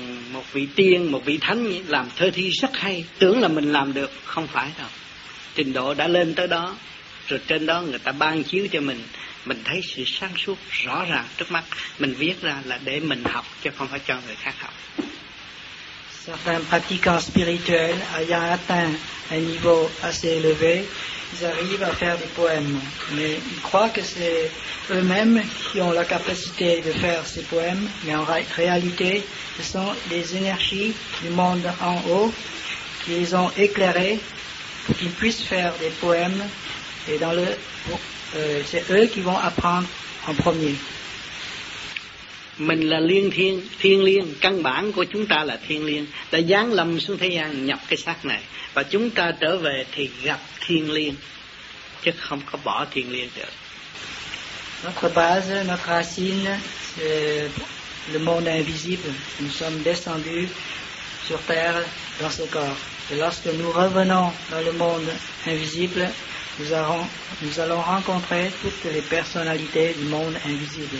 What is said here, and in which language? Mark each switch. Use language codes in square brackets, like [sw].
[vi] một vị tiên, một vị thánh làm thơ thi rất hay, tưởng là mình làm được, không phải đâu. Trình độ đã lên tới đó, rồi trên đó người ta ban chiếu cho mình thấy sự sáng suốt rõ ràng trước mắt, mình viết ra là để mình học chứ không phải cho người khác học. [fr] Certains pratiquants spirituels ayant atteint un niveau assez élevé, ils arrivent à faire des poèmes, mais ils croient que c'est eux-mêmes qui ont la capacité de faire ces poèmes, mais en réalité, ce sont les énergies du monde en haut qui les ont éclairés pour qu'ils puissent faire des poèmes, et dans le, c'est eux qui vont apprendre en premier. [vi] Mình là liên thiên, thiên liên, căn bản của chúng ta là thiên liên, đã giáng lâm xuống thế gian nhập cái xác này, và chúng ta trở về thì gặp thiên liên, chứ không có bỏ thiên liên được. [fr] Notre base, notre racine, c'est le monde invisible. Nous sommes descendus sur terre dans ce corps. Et lorsque nous revenons dans le monde invisible, nous allons rencontrer toutes les personnalités du monde invisible.